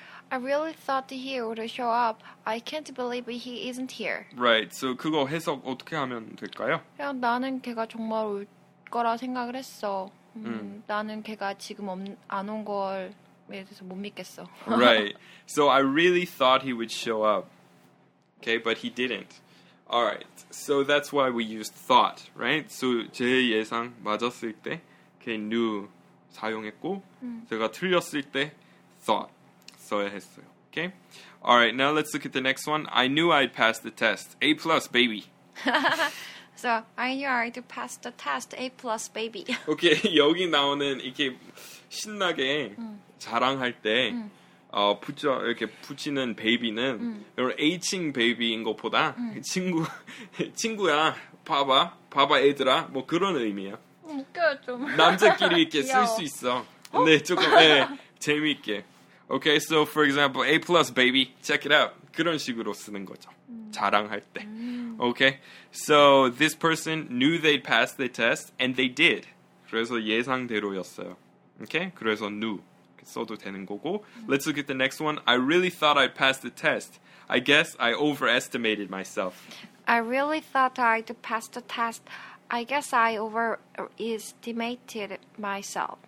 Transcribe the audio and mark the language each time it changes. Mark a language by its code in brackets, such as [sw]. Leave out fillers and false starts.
[en] I really thought he would show up. I can't believe he isn't here. Right. [ko] So 그거 해석 어떻게 하면 될까요? 그냥 나는 걔가 정말 올 거라 생각을 했어. 나는 걔가 지금 안 온 걸 대해서 못 믿겠어. [en] Right. So I really thought he would show up. Okay, but he didn't. All right. So that's why we used thought, right? [ko] So 제 예상 맞았을 때 걔 knew 사용했고 제가 틀렸을 때 thought 써야 했어요. [en] Okay? All right. Now let's look at the next one. I knew I'd pass the test. A plus, baby. So, I knew I'd pass the test, A plus, baby. [ko] Okay, 여기 나오는 이렇게 신나게 자랑할 때 이렇게 붙이는 baby는 H-ing baby인 것보다 친구야, 봐봐 애들아, 뭐 그런 의미야. 웃겨요, 좀. 남자끼리 이렇게 쓸 수 있어. 근데 조금 재미있게. [en] Okay, so for example, A plus, baby, check it out. [ko] 그런 식으로 쓰는 거죠. 자랑할 때. [en] Okay, so this person knew they'd pass the test, and they did. [ko] 그래서 예상대로였어요. [en] Okay, [ko] 그래서 [en] knew. [ko] 써도 되는 거고. [en] Let's look at the next one. I really thought I'd pass the test. I guess I overestimated myself. I really thought I'd pass the test. I guess I overestimated myself.